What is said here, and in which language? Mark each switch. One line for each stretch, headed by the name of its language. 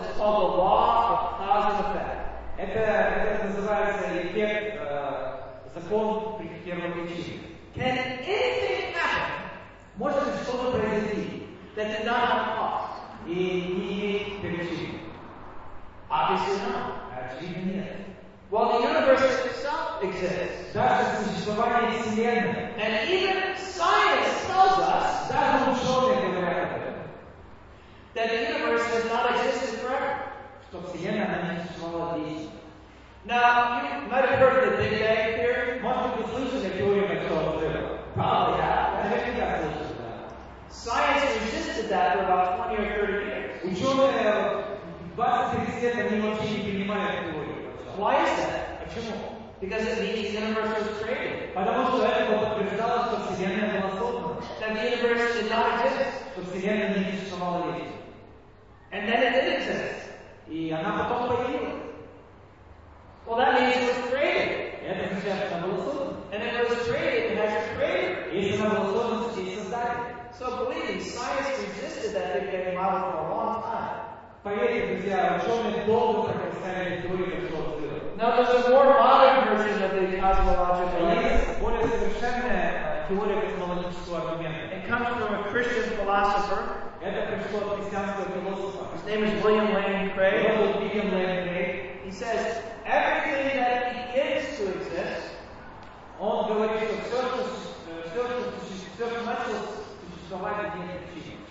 English: It's called the law of cause and effect.
Russian: Это называется эффект закон при первой причине.
English: Can anything happen?
Russian: Может ли что-то произойти?
English: That did not have cause.
Russian: И не имеет причины.
English: Obviously not. Actually
Russian: нет.
English: Well, the universe itself exists.
Russian: Даже существование Вселенной.
English: And even science tells us
Russian: даже ученые говорят
English: that the universe has not existed forever.
Russian: Что Вселенная не существовала вечно.
English: Now, you might have heard of the Big Bang Theory.
Russian: Может быть, вы слышали теорию большого взрыва?
English: Probably have. Science resisted that for about 20 or 30 years.
Russian: Ученые 20-30 лет они вообще не принимают теорию.
English: Why is that?
Russian: Почему?
English: Because it means the universe was created.
Russian: Потому что это подтверждало, что Вселенная была создана.
English: That the universe did not exist.
Russian: Что Вселенная не существовала вечно.
English: And then it did exist.
Russian: И она потом появилась.
English: Well, that means it was created.
Russian: Это означает, что она была создана.
English: And if it was created, it has a creator.
Russian: Если она была создана, то есть создание.
English: So believe me, science resisted that Big Bang model for a long time.
Russian: Поверьте, друзья, ученые долго противостояли теории большого взрыва.
English: Now there's a more modern version of the cosmological.
Russian: Более совершенная теория космологического аргумента.
English: It comes from a Christian philosopher.
Russian: Это пришло от христианского философа.
English: His name is William Lane Craig.
Russian: William Lane Craig.
English: He says, everything that begins to exist,
Russian: он говорит, что все, что началось существовать, имеет причину.